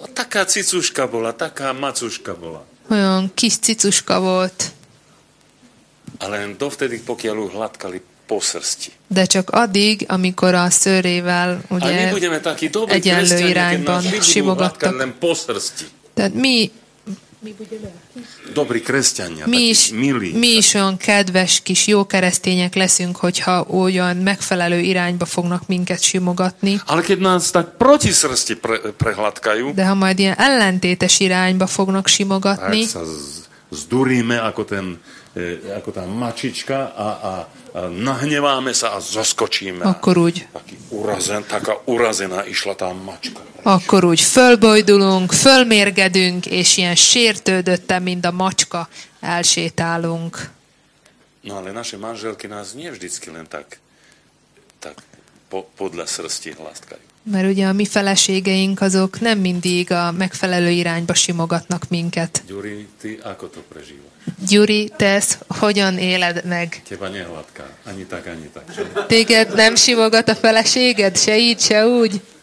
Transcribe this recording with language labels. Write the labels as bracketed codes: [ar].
[sk] Taká cicuška bola, taká macuška bola. [hu] Olyan kis cicuška volt. [sk] Ale len dovtedy, pokiaľ ju hladkali po srsti. [hu] De csak addig, amikor a szőrével ugye egyenlő irányban simogattak. [sk] Nem po srsti. [hu] Tehát mi... [sk] Dobrí kresťania, mi taký, is, milí. [hu] Mi is olyan kedves kis jó keresztények leszünk, hogyha olyan megfelelő irányba fognak minket simogatni. [sk] Ale keď nás tak proti srsti prehladkajú. [hu] De ha majd ilyen ellentétes irányba fognak simogatni. [sk] Tak sa zduríme ako ten, ako tá mačička a nahneváme sa a zaskočíme. [hu] Akkor úgy. [sk] Taká urazená išla tá mačka. [hu] Akkor úgy fölbojdulunk, fölmérgedünk, és ilyen sértődötten, mint a macska, elsétálunk. [sk] No ale naše manželky nás nie vždycky len tak podľa srsti hlastkajú. [hu] Mert ugye a mi feleségeink azok nem mindig a megfelelő irányba simogatnak minket. [sk] Gyuri, ty ako to prežívaš? [hu] Gyuri, te ezt hogyan éled meg? [sk] Teba nehladká. Ani tak. [hu] Téged nem simogat a feleséged? Se így, se úgy?